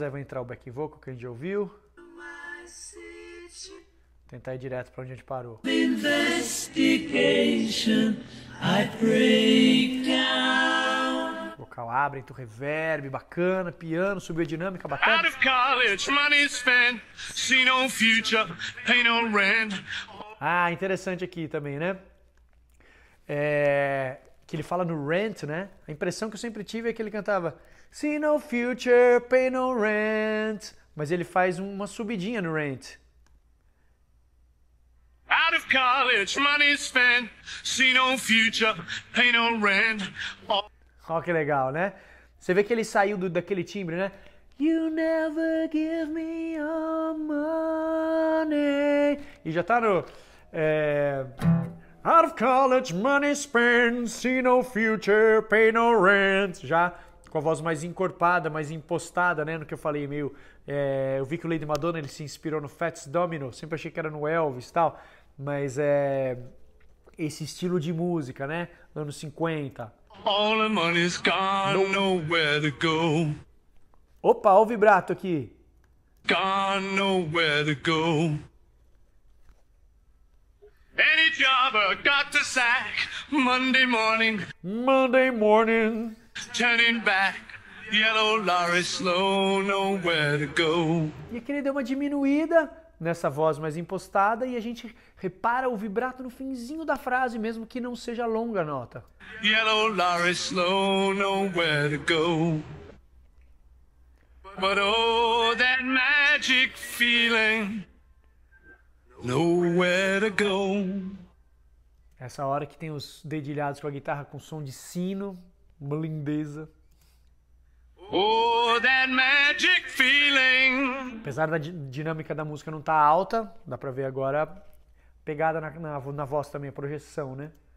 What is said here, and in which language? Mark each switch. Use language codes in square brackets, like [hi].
[pt] entrar o back vocal que a gente já ouviu. Tentar ir direto para onde a gente parou. [en] Investigation, I break down. [pt] Vocal abre, entra o reverb, bacana, piano, subiu a dinâmica, bacana. [en] Out of college, money spent, see no future, pay no rent. [pt] Ah, interessante aqui também, né? É, que ele fala no rent, né? A impressão que eu sempre tive é que ele cantava [en] see no future, pay no rent. [pt] Mas ele faz uma subidinha no rent. [en] Out of college, money spent, see no future, pay no rent. [pt] Oh, que legal, né? Você vê que ele saiu daquele timbre, né? [en] You never give me your money. [pt] E já tá no... É... [en] Out of college, money spent, see no future, pay no rent. [pt] Já com a voz mais encorpada, mais impostada, né? No que eu falei, meio... É... Eu vi que o Lady Madonna, ele se inspirou no Fats Domino. Sempre achei que era no Elvis e tal. Mas é... Esse estilo de música, né? Anos 50. [en] All the money's gone, nowhere to go. [pt] Opa, olha o vibrato aqui. [en] Gone, nowhere to go. Any job I got to sack, Monday morning. Monday morning. Turning back, yellow lorry slow, nowhere to go. [pt] E aqui ele deu uma diminuída nessa voz mais impostada e a gente repara o vibrato no finzinho da frase, mesmo que não seja longa a nota. [en] Yellow lorry slow, nowhere to go. But oh, that magic feeling. Nowhere to go. [pt] Essa hora que tem os dedilhados com a guitarra com som de sino, uma lindeza. [en] Oh, that magic feeling. [pt] Apesar da dinâmica da música não estar alta, dá pra ver agora a pegada na voz também, a projeção, né?